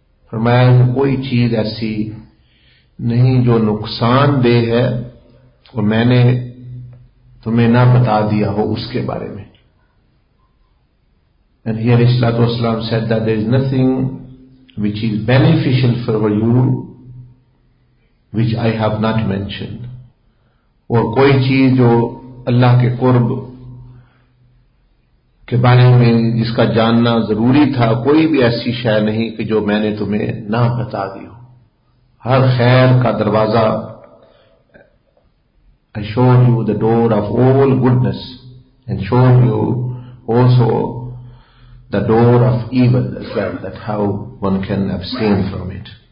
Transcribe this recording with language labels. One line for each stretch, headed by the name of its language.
Urdu: فرمایا کوئی چیز ایسی نہیں جو نقصان دے ہے اور میں نے تمہیں نہ بتا دیا ہو اس کے بارے میں.
English: And here alayhi salatu wasalam said that there is nothing which is beneficial for you which I have not mentioned.
Urdu: اور کوئی چیز جو اللہ کے قرب کے بارے میں جس کا جاننا ضروری تھا کوئی بھی ایسی شے نہیں کہ جو میں نے تمہیں نہ بتا دی ہو. ہر خیر کا دروازہ
English: I showed you the door of all goodness and showed you also the door of evil as well, that how one can abstain from it.